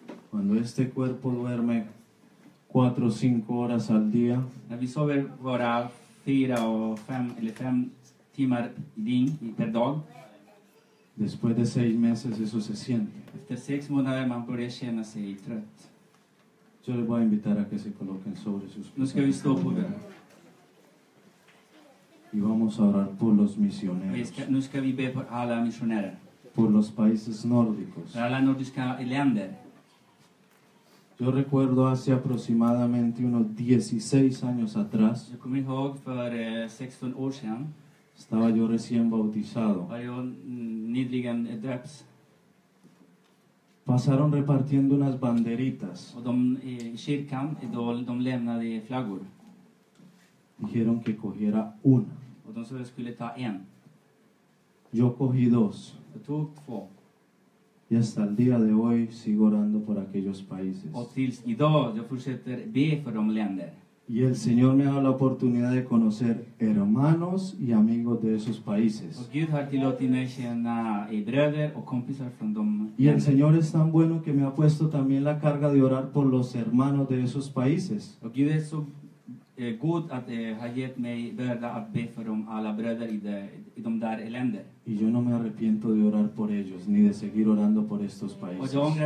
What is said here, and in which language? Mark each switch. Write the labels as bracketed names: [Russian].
[Spanish] Cuando este cuerpo duerme 4 o 5 horas al día. [Swedish] När vi sover våra 4 eller 5 timmar per dag. [Spanish] Después de 6 meses eso se siente. [Swedish] Efter 6 månader man börjar känna sig trött. [Spanish] Yo les voy a invitar a que se coloquen sobre sus [Swedish] pies. Nos ska vi stå på det. [Spanish] Y vamos a orar por los misioneros. [Swedish] Nu ska vi be för alla missionärer. [Spanish] Por los países nórdicos. [Swedish] För alla nordiska länder. [Spanish] Yo recuerdo hace aproximadamente unos 16 años atrás. [Swedish] Jag kommer ihåg för 16 år sedan. [Spanish] Estaba yo recién bautizado. [Swedish] Var jag nyligen döpt. [Spanish] Pasaron repartiendo unas banderitas. [Swedish] Och de kyrkan, de lämnade flaggor. [Spanish] Dijeron que cogiera una. [Swedish] Och de sa att jag skulle ta en. [Spanish] Yo cogí dos. [Swedish] Jag tog 2. [Spanish] Y hasta el día de hoy sigo orando por aquellos países. [Swedish] Och tills idag jag fortsätter be för de länder. [Spanish] Y el Señor me ha dado la oportunidad de conocer hermanos y amigos de esos países. [Swedish] Och Gud har tillåtit mig känna bröder och kompisar från de länder. [Spanish] Y el Señor es tan bueno que me ha puesto también la carga de orar por los hermanos de esos países. [Swedish] Och Gud är så god att ha gett mig börda att be för dem alla bröder i de där länder. [Spanish] Y yo no me arrepiento de orar por ellos, ni de seguir orando por estos países.